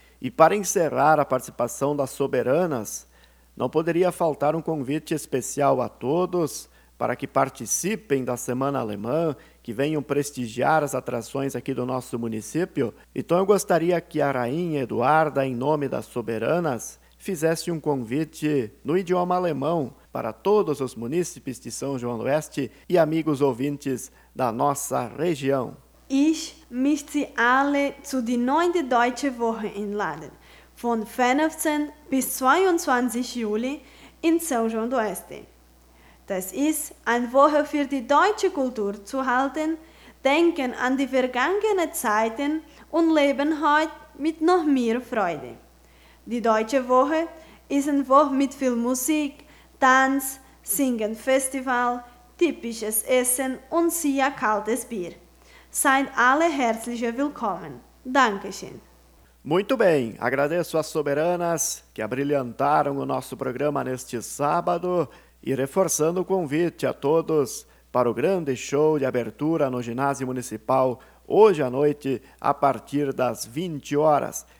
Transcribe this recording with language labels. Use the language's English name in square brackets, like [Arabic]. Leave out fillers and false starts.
[Portuguese] E para encerrar a participação das soberanas, não poderia faltar um convite especial a todos para que participem da Semana Alemã, que venham prestigiar as atrações aqui do nosso município. Então eu gostaria que a Rainha Eduarda, em nome das soberanas, fizesse um convite no idioma alemão para todos os munícipes de São João do Oeste e amigos ouvintes da nossa região. [German] Ich möchte alle zu die neunte Deutsche Woche einladen. Von 15 bis 22 Juli in São João do Oeste. Das ist eine Woche für die deutsche Kultur zu halten, denken an die vergangenen Zeiten und leben heute mit noch mehr Freude. Die Deutsche Woche ist eine Woche mit viel Musik, Tanz, Singen, Festival, typisches Essen und sehr kaltes Bier. Seid alle herzlich willkommen. Dankeschön. [Portuguese] Muito bem, agradeço às soberanas que abrilhantaram o nosso programa neste sábado e reforçando o convite a todos para o grande show de abertura no Ginásio Municipal hoje à noite, a partir das 20 horas.